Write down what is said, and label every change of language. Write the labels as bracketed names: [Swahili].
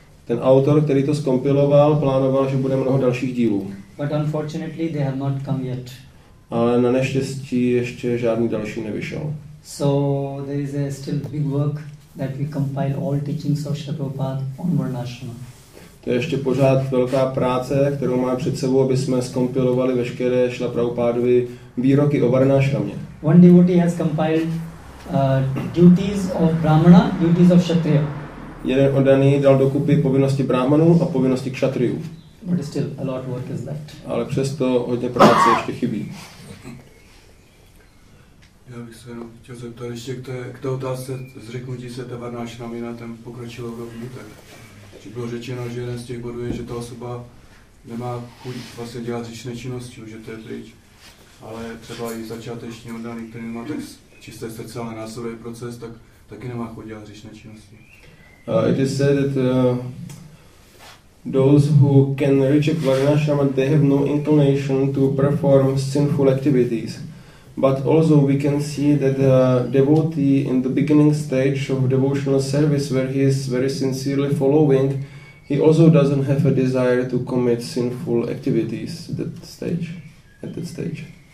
[Czech] Ten autor, který to skompiloval, plánoval, že bude mnoho dalších dílů. [English] But unfortunately they have not come yet. [Czech] Ale na neštěstí ještě žádný další nevyšel. [English] So there is a still big work that we compile all teachings of Srila Prabhupada on varnashrama. [Czech] To je ještě pořád velká práce, kterou máme před sebou, aby jsme skompilovali veškeré Srila Prabhupádovy výroky o varnashramě. [English] One devotee has compiled duties of brahmana, duties of kshatriya. [Czech] Jeden oddaný dal dokupy povinnosti brahmanů a povinnosti kshatriyů. [English] But still a lot of work is left. [Czech] Ale přesto hodně práce ještě chybí. Já bych se jenom chtěl zeptat ještě k té otázce zřeknutí se té Varnášrámy na ten pokročilou rovní. Či bylo řečeno, že jeden z těch bodů je, že ta osoba nemá chuť vlastně dělat říčné činnosti, že to je pryč. Ale třeba i začáteční oddaný, který má tak čisté srdce, ale následuje proces, tak taky nemá chuť dělat říčné činnosti. [English] It is said that those who can reject Varnashrama, they have no inclination to perform sinful activities. But also we can see that a devotee in the beginning stage of devotional service, where he is very sincerely following, he also doesn't have a desire to commit sinful activities at that stage.